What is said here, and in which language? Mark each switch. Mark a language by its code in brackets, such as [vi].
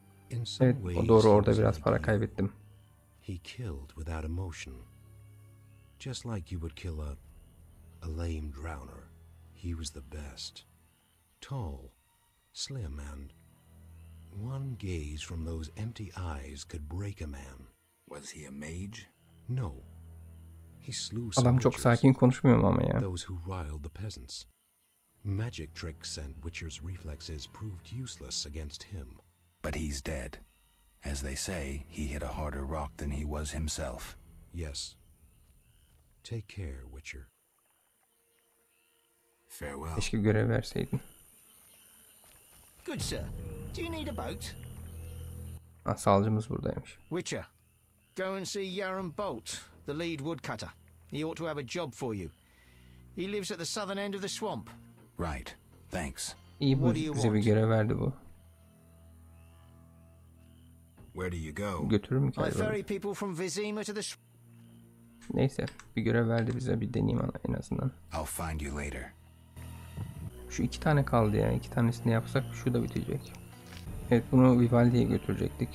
[en] In some [tr] evet, [en] ways, [tr] doğru, orada biraz para kaybettim. [en] He killed without emotion. Just like you would kill a lame drowner. He was the best. Tall, slim, and one gaze from those empty eyes could break a man. Was he a mage? No. He slew some. [tr] Adam çok sakin konuşmuyor ama ya. [en] Those who riled the peasants. Magic tricks and witcher's reflexes proved useless against him. But he's dead. As they say, he hit a harder rock than he was himself. Yes. Take care, witcher. Farewell. [tr] Keşke görev verseydin. [en] Good sir. Do you need a boat? [tr] Ah, sağlıcımız buradaymış. [en] Witcher, go and see Yaron Bolt, the lead woodcutter. He ought to have a job for you. He lives at the southern end of the swamp. Right. Thanks. [tr] İyi, bu bize bir görev verdi bu. [en] Where do you go? [tr] Götürürüm ki. [en] I ferry people from Vizima to the. [tr] Neyse, bir görev verdi bize, bir deneyim ona en azından. [en] I'll find you later. [tr] Şu iki tane kaldı yani, iki tanesini yapsak şu da bitecek. Evet, bunu Vivaldi'ye götürecektik.